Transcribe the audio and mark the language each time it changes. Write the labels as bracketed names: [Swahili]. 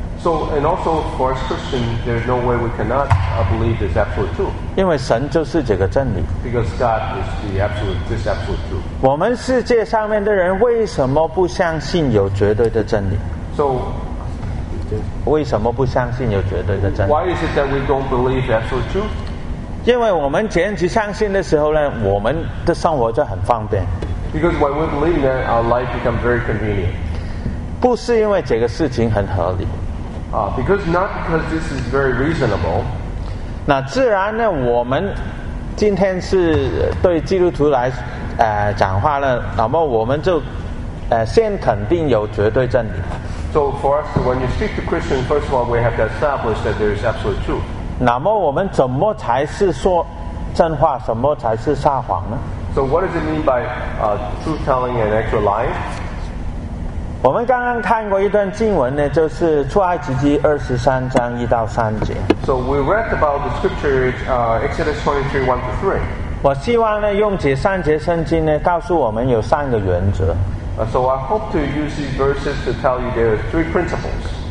[English] So and also for us Christians, there's no way we cannot believe this absolute truth. [Chinese] 因为神就是这个真理。 [English] Because God is the absolute, this absolute truth. [Chinese] 我们世界上面的人为什么不相信有绝对的真理？ [English] So, [Chinese] 为什么不相信有绝对的真理？ [English] Why is it that we don't believe absolute truth? [Chinese] 因为我们坚持相信的时候呢，我们的生活就很方便。 [English] Because when we believe, then our life becomes very convenient. [Chinese] 不是因为这个事情很合理。 [English] Because not because this is very reasonable. [Chinese] 那自然呢，我们今天是对基督徒来讲话呢，那么我们就先肯定有绝对真理。 [English] So for us, when you speak to Christians, first of all, we have to establish that there is absolute truth. [Chinese] 那么我们怎么才是说真话，什么才是撒谎呢？ [English] So what does it mean by truth telling and actual lying? [Chinese] 我们刚刚看过一段经文呢，就是出埃及记23:1-3. [English] So we read about the scripture Exodus 23:1-3. [Chinese] 我希望呢，用这三节圣经呢，告诉我们有三个原则。 [English] So I hope to use these verses to tell you there are three principles.